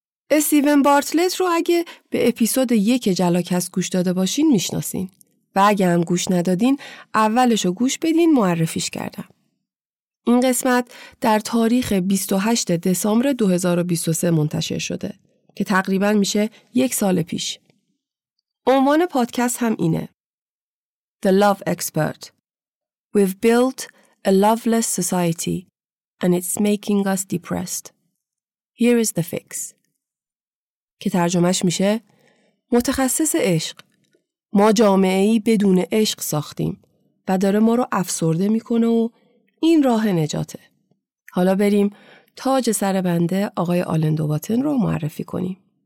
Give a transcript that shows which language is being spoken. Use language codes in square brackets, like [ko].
[fa] استیون بارتلت رو اگه به اپیزود 1 جلاکست گوش داده باشین میشناسین، و اگه هم گوش ندادین اولشو گوش بدین، معرفیش کردم. این قسمت در تاریخ 28 دسامبر 2023 منتشر شده که تقریبا میشه یک سال پیش. عنوان پادکست هم اینه: [en] the love expert. We've built a loveless society and it's making us depressed. Here is the fix. [fa] که ترجمهش میشه متخصص عشق. ما جامعه‌ای بدون عشق ساختیم و داره ما رو افسرده میکنه و این راه نجاته. حالا بریم تاج سر بنده آقای آلن دوباتن رو معرفی کنیم.